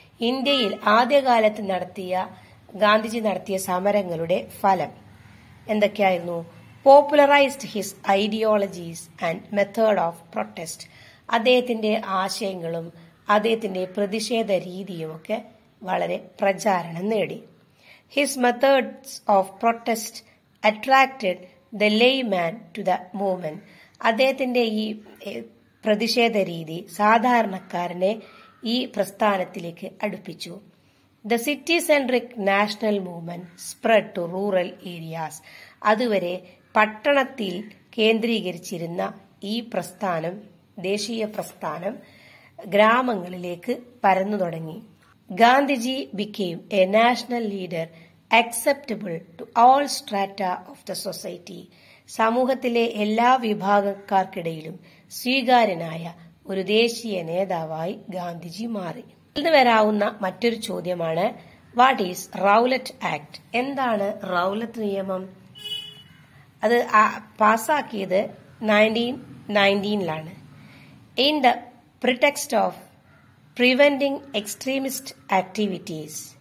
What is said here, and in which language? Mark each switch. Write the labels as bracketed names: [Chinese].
[Malayalam] ഇന്ത്യയിൽ ആദ്യകാലത്ത് ഗാന്ധിജി നടത്തിയ സമരങ്ങളുടെ ഫലം എന്തൊക്കെയായിരുന്നു? [English] Popularised his ideologies and method of protest. [Malayalam] അദ്ദേഹത്തിന്റെ ആശയങ്ങളും അദ്ദേഹത്തിന്റെ പ്രതിഷേധ രീതിയും ഒക്കെ വളരെ പ്രചാരണം നേടി. [English] His methods of protest attracted the layman to the movement. [Malayalam] അദ്ദേഹത്തിന്റെ ഈ പ്രതിഷേധ രീതി സാധാരണക്കാരനെ ഈ പ്രസ്ഥാനത്തിലേക്ക് അടുപ്പിച്ചു. [English] The city centric national movement spread to rural areas. [Malayalam] അതുവരെ പട്ടണത്തിൽ കേന്ദ്രീകരിച്ചിരുന്ന ഈ പ്രസ്ഥാനം, ദേശീയ പ്രസ്ഥാനം, ഗ്രാമങ്ങളിലേക്ക് പരന്നു തുടങ്ങി. [English] Gandhiji became a national leader acceptable to all strata of the society. [Malayalam] സമൂഹത്തിലെ എല്ലാ വിഭാഗക്കാർക്കിടയിലും സ്വീകാര്യനായ ഒരു ദേശീയ നേതാവായി ഗാന്ധിജി മാറി. വരാവുന്ന മറ്റൊരു ചോദ്യമാണ്, [English] What is Rowlatt act? [Malayalam] എന്താണ് റൗലറ്റ് നിയമം? അത് പാസാക്കിയത് [English] 1919 in the pretext of preventing extremist activities.